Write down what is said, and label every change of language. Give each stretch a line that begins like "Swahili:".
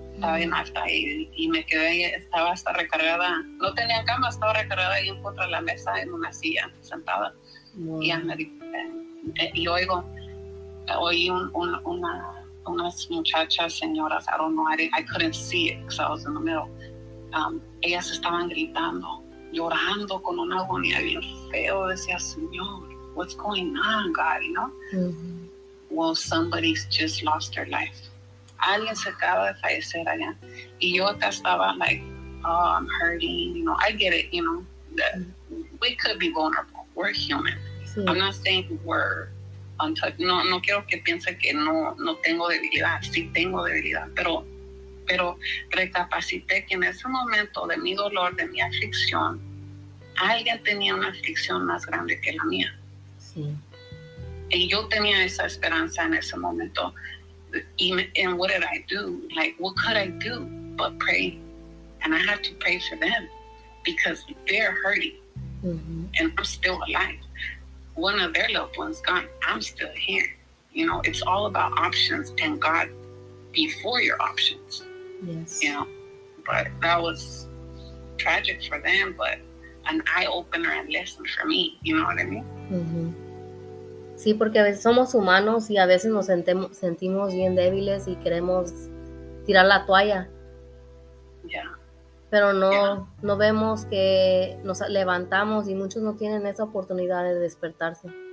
Spanish: Estaba en alta y me quedé, estaba hasta recargada, no tenía cama, estaba recargada ahí contra la mesa en una silla sentada.
English: Wow.
Spanish: Y ya me dije, y oí unas muchachas, señoras,
English: I don't know, I couldn't see it because I was in the middle.
Spanish: Ellas estaban gritando, llorando con una agonía bien feo, decía, Señor,
English: what's going on, God, you know?
Spanish: Mm-hmm.
English: Well, somebody's just lost their life.
Spanish: Alguien se acaba de fallecer allá. Y yo acá estaba
English: like, oh, I'm hurting, you know, I get it, you know. We could be vulnerable, we're human. Sí. I'm not saying we're untouched.
Spanish: No quiero que piense que no tengo debilidad. Sí tengo debilidad, pero recapacité que en ese momento de mi dolor, de mi aflicción, alguien tenía una aflicción más grande que la mía. Sí. Y yo tenía esa esperanza en ese momento.
English: And what did I do? Like, what could I do but pray? And I had to pray for them because they're hurting. Mm-hmm. And I'm still alive. One of their loved ones gone. I'm still here. You know, it's all about options and God before your options. Yes. You know, but that was tragic for them, but an eye-opener and lesson for me. You know what I mean? Mm-hmm.
Spanish: Sí, porque a veces somos humanos y a veces nos sentimos bien débiles y queremos tirar la toalla.
English: Yeah.
Spanish: Pero no, yeah. No vemos que nos levantamos y muchos no tienen esa oportunidad de despertarse.